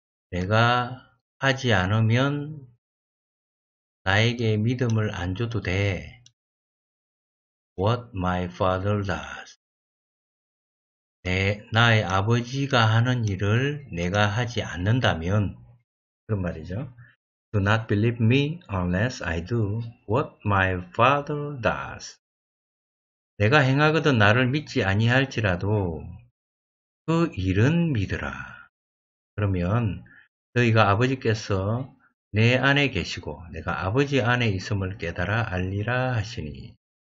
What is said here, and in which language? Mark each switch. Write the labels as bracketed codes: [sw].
[ko] 내가 하지 않으면 나에게 믿음을 안 줘도 돼. [en] What my father does. [ko] 나의 아버지가 하는 일을 내가 하지 않는다면, 그런 말이죠. [en] Do not believe me unless I do what my father does. [ko] 내가 행하거든 나를 믿지 아니할지라도, 그 일은 믿으라. 그러면 너희가 아버지께서 내 안에 계시고 내가 아버지 안에 있음을 깨달아 알리라 하시니.